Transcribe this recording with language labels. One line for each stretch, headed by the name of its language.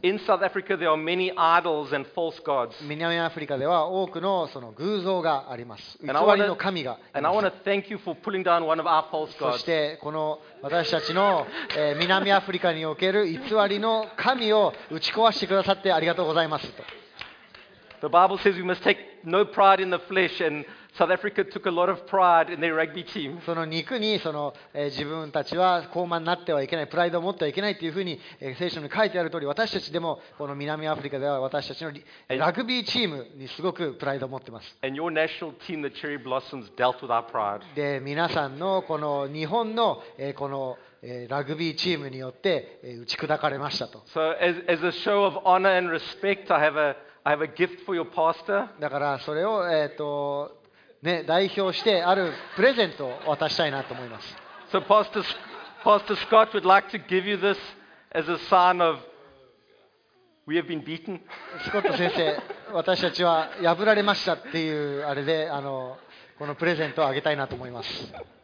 English: In South Africa, there are many idols and false gods.
Japanese: 南アフリカでは多くの その偶像があります。偽りの神が。
English: And I want to thank you for pulling down one of our false gods.
Japanese: そしてこの私たちの南アフリカにおける偽りの神を打ち壊してくださってありがとうございますと。
English: The Bible says we must take no pride in the flesh and South Africa took a lot of pride in their rugby team.
Japanese: その肉にその、自分たちは高慢になってはいけない、プライドを持ってはいけないというふうに、聖書に書いてある通り、私たちでもこの南アフリカでは私たちのラグビーチームにすごくプライドを持ってます。
English: And your national team, the Cherry Blossoms, dealt with our pride.
Japanese: で、皆さんのこの日本の、このラグビーチームによって、打ち砕かれましたと。
English: So as a show of honor and respect, I have a gift for your pastor.
Japanese: だからそれを代表してあるプレゼントを渡したいなと思います。
English: So Pastor Scott would like to give you this as a sign of we have been beaten.
Japanese: スコット先生、私たちは破られましたっていうあれで、このプレゼントをあげたいなと思います。